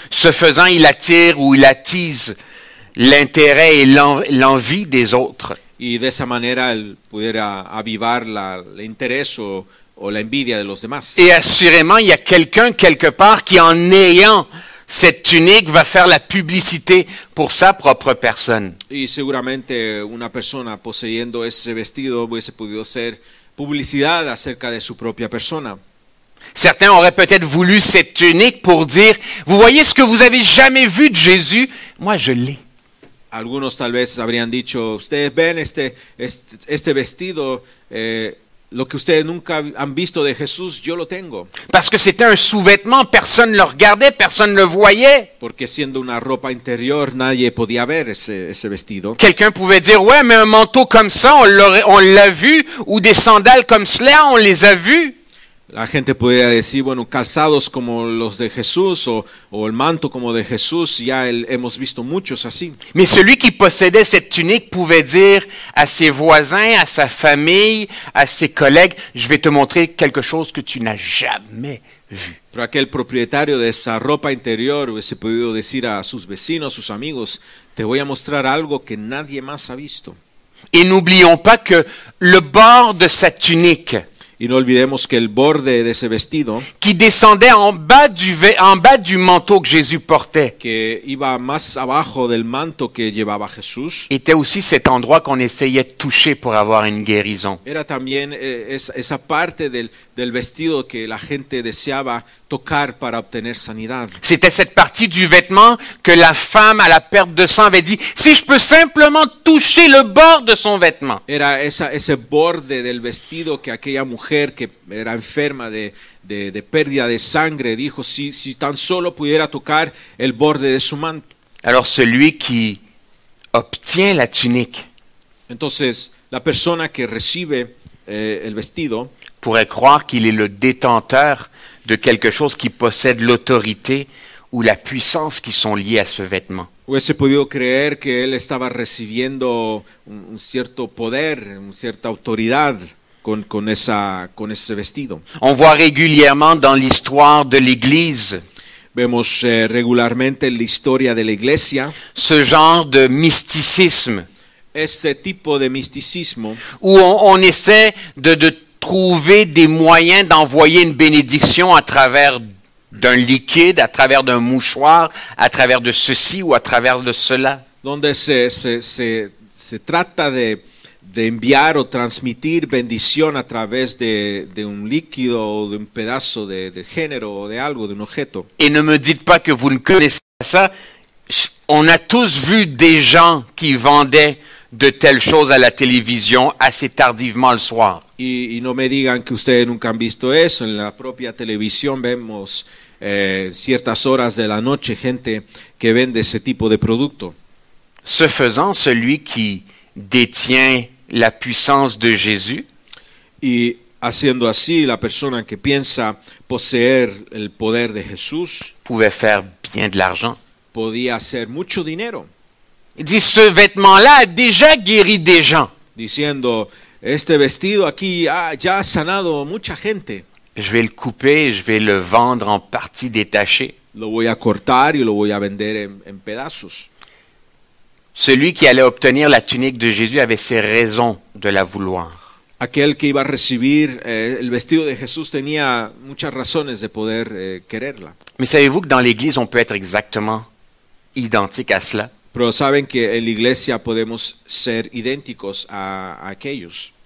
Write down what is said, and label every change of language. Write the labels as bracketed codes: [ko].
[fr] Ce faisant, il attire ou il attise l'intérêt et l'envie des autres. [es] Y de esa manera él pudiera avivar el interés o la envidia de los demás. [fr] Et assurément, il y a quelqu'un quelque part qui, en ayant cette tunique, va faire la publicité pour sa propre personne. [es] Y seguramente una persona poseyendo ese vestido hubiese podido hacer publicidad acerca de su propia persona. [fr] Certains auraient peut-être voulu cette tunique pour dire, vous voyez ce que vous avez jamais vu de Jésus, moi je l'ai. [es] Algunos tal vez habrían dicho, ustedes ven este vestido, lo que ustedes nunca han visto de Jesús, yo lo tengo. [fr] Parce que c'était un sous-vêtement, personne ne le regardait, personne ne le voyait. [es] Porque siendo una ropa interior, nadie podía ver ese vestido. [fr] Quelqu'un pouvait dire, ouais, mais un manteau comme ça, on l'a vu, ou des sandales comme cela, on les a vus. [es] La gente podría decir, bueno, calzados como los de Jesús o el manto como de Jesús, ya hemos visto muchos así. [fr] Mais celui qui possédait cette tunique pouvait dire à ses voisins, à sa famille, à ses collègues, je vais te montrer quelque chose que tu n'as jamais vu. [es] Pero aquel propietario de esa ropa interior hubiese podido decir a sus vecinos, a sus amigos, te voy a mostrar algo que nadie más ha visto. [fr] Et n'oublions pas que le bord de sa tunique, [es] y no olvidemos que el borde de ese vestido [fr] qui descendait en bas du manteau que Jésus portait, [es] que iba más abajo del manto que llevaba Jesús, [fr] était aussi cet endroit qu'on essayait de toucher pour avoir une guérison. [es] Era también esa parte del vestido que la gente deseaba tocar para obtener sanidad. [fr] C'était cette partie du vêtement que la femme à la perte de sang avait dit, si je peux simplement toucher le bord de son vêtement. [es] Era ese borde del vestido que aquella mujer que era enferma de pérdida de sangre dijo, si tan solo pudiera tocar el borde de su manto. [fr] Alors celui qui obtient la tunique. [es] Entonces, la persona que recibe el vestido [fr] pourrait croire qu'il est le détenteur de quelque chose qui possède l'autorité ou la puissance qui sont liées à ce vêtement. [es] Hubiese podido creer que él estaba recibiendo un cierto poder, una cierta autoridad con ese vestido. [fr] On voit régulièrement dans l'histoire de l'Église. [es] Vemos regularmente en la historia de la Iglesia. [fr] Ce genre de mysticisme. [es] Ese tipo de misticismo. [fr] Où on essaie de trouver des moyens d'envoyer une bénédiction à travers d'un liquide, à travers d'un mouchoir, à travers de ceci ou à travers de cela. [es] Donde se trata de enviar o transmitir bendición a través de un líquido o de un pedazo de género o de algo, de un objeto. [fr] Et ne me dites pas que vous ne connaissez pas ça. On a tous vu des gens qui vendaient de telles choses à la télévision assez tardivement le soir. [es] Y no me digan que ustedes nunca han visto eso. En la propia televisión vemos ciertas horas de la noche gente que vende ese tipo de producto. [fr] Ce faisant, celui qui détient la puissance de Jésus. [es] Y haciendo así, la persona que piensa poseer el poder de Jesús. [fr] Pouvait faire bien de l'argent. [es] Podía hacer mucho dinero. [fr] Dit, ce vêtement-là a déjà guéri des gens. [es] Diciendo, este vestido aquí ya ha sanado mucha gente. [fr] Je vais le couper et je vais le vendre en partie détachée. [es] Lo voy a cortar y lo voy a vender en pedazos. [fr] Celui qui allait obtenir la tunique de Jésus avait ses raisons de la vouloir. [es] Aquel que iba a recibir el vestido de Jesús tenía muchas razones de poder quererla. [fr] Mais savez-vous que dans l'Église, on peut être exactement identique à cela? [es] Pero saben que en la iglesia podemos ser idénticos a aquellos.